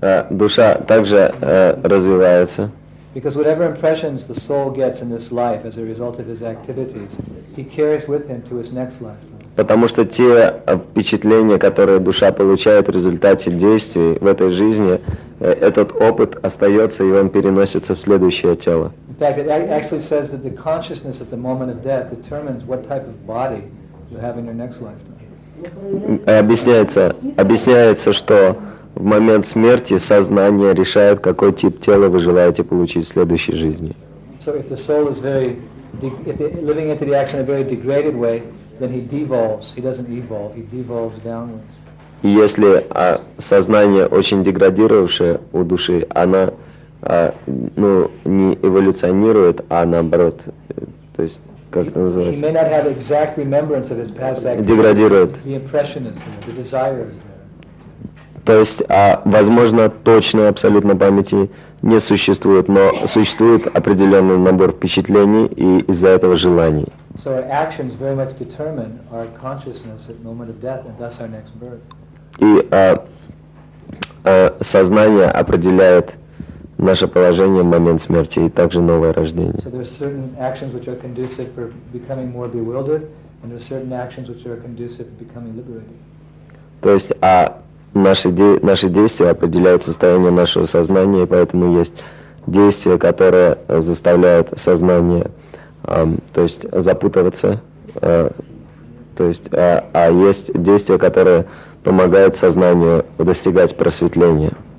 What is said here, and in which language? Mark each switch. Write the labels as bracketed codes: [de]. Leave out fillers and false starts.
[ru] Душа также развивается. [en] Because whatever impressions the soul gets in this life as a result of his activities, he carries with him to his next life. [ru] Потому что те впечатления, которые душа получает в результате действий в этой жизни, этот опыт остается, и он переносится в следующее тело. [en] In fact, it actually says that the consciousness at the moment of death determines what type of body you have in your next lifetime. [ru] Объясняется, что в момент смерти сознание решает, какой тип тела вы желаете получить в следующей жизни. [en] So if the soul is very living into the action in a very degraded way, then he devolves. He doesn't evolve. He devolves downwards. [ru] И если сознание очень деградировавшее у души, она не эволюционирует, а наоборот, то есть. Как это называется? [en] He may not have exact remembrance of his past activities. [ru] Деградирует. [en] The impression is there, the desire is there. [ru] То есть, возможно, точной абсолютно памяти не существует, но существует определенный набор впечатлений и из-за этого желаний. [en] So our actions very much determine our consciousness at the moment of death and thus our next birth. [ru] И сознание определяет наше положение в момент смерти и также новое рождение. [en] So there are certain actions which are conducive for becoming more bewildered, and there are certain actions which are conducive for becoming liberated. [ru] То есть наши действия определяют состояние нашего сознания, и поэтому есть действия, которые заставляют сознание запутываться. Есть действия, которые помогают сознанию достигать просветления.